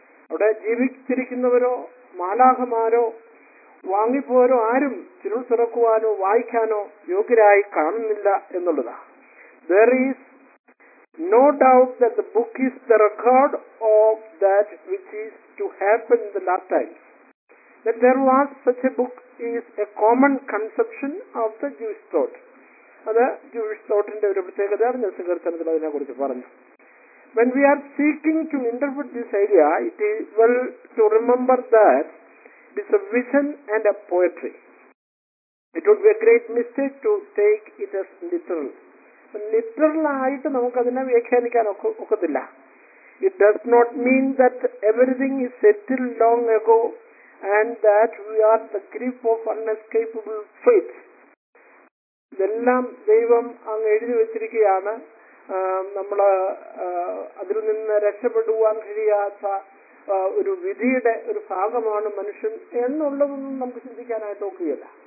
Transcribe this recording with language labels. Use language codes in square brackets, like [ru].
[ml] അവിടെ ജീവിച്ചിരിക്കുന്നവരോ മാലാഹമാരോ വാങ്ങിപ്പോരോ ആരും ചുരുൾ തുറക്കുവാനോ വായിക്കാനോ യോഗ്യരായി കാണുന്നില്ല എന്നുള്ളതാ. [en] There is no doubt that the book is the record of that which is to happen in the last times. That there was such a book is a common conception of the Jewish thought. [ml] അത് Jewish തോട്ടിന്റെ ഒരു പ്രത്യേകത സങ്കീർത്തനത്തിൽ അതിനെ കുറിച്ച് പറഞ്ഞു. [en] When we are seeking to interpret this idea, it is well to remember that it is a vision and a poetry. It would be a great mistake to take it as literal. [ml] Literal ആയിട്ട് നമുക്ക് അതിനെ വ്യാഖ്യാനിക്കാൻ ഒക്കത്തില്ല. [en] It does not mean that everything is settled long ago and that we are the grip of unescapable fate. [ml] ഇതെല്ലാം ദൈവം അങ്ങ് എഴുതി വെച്ചിരിക്കുകയാണ്. നമ്മൾ അതിൽ നിന്ന് രക്ഷപ്പെടുവാൻ കഴിയാത്ത ഒരു വിധിയുടെ ഒരു ഭാഗമാണ് മനുഷ്യൻ എന്നുള്ളതൊന്നും നമുക്ക് ചിന്തിക്കാനായിട്ട് നോക്കുകയില്ല.